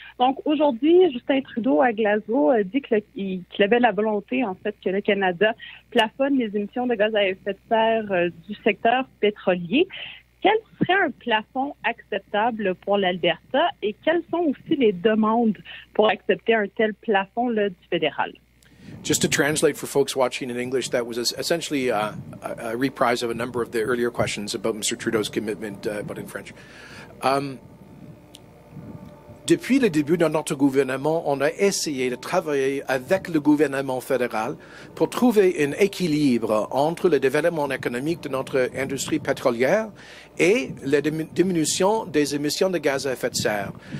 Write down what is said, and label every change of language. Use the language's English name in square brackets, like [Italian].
[French] Donc aujourd'hui, Justin Trudeau à Glasgow a dit qu'il avait la volonté, en fait, que le Canada plafonne les émissions de gaz à effet de serre du secteur pétrolier. Quel serait un plafond acceptable pour l'Alberta et quelles sont aussi les demandes pour accepter un tel plafond là, du fédéral? [English] Just to translate for folks watching in English, that was essentially a reprise of a number of the earlier questions about Mr. Trudeau's commitment, but in French. [French] Depuis le début de notre gouvernement, on a essayé de travailler avec le gouvernement fédéral pour trouver un équilibre entre le développement économique de notre industrie pétrolière et la diminution des émissions de gaz à effet de serre.